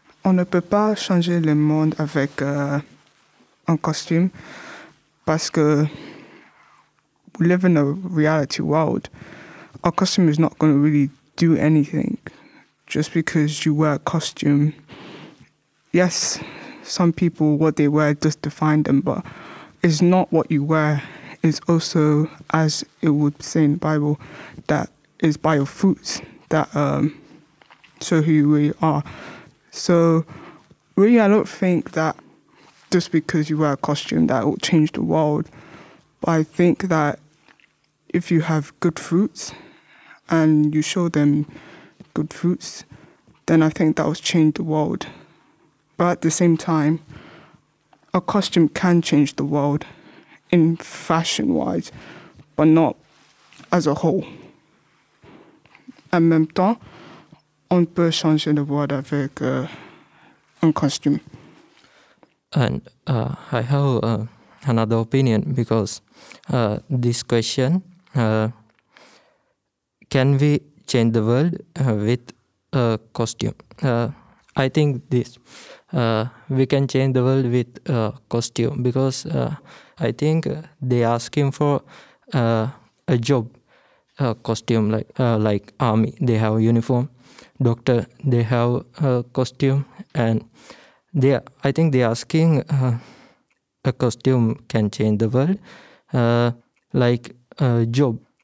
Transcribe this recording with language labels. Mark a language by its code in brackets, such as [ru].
[fr] On ne peut pas changer le monde avec un costume, parce que [en] we live in a reality world. Our costume is not going to really do anything. Just because you wear a costume, yes, some people, what they wear does define them, but it's not what you wear. It's also, as it would say in the Bible, that is by your fruits that show who you really are. So really, I don't think that just because you wear a costume that will change the world. But I think that if you have good fruits and you show them good fruits, then I think that will change the world. But at the same time, a costume can change the world in fashion-wise, but not as a whole. [fr] En même temps, on peut changer le world avec un costume. [en] And I have another opinion, because this question, can we change the world with a costume? I think this, we can change the world with a costume, because I think they ask him for a job, a costume, like army, they have a uniform, doctor, they have a costume, and I think they're asking a costume can change the world, like a job.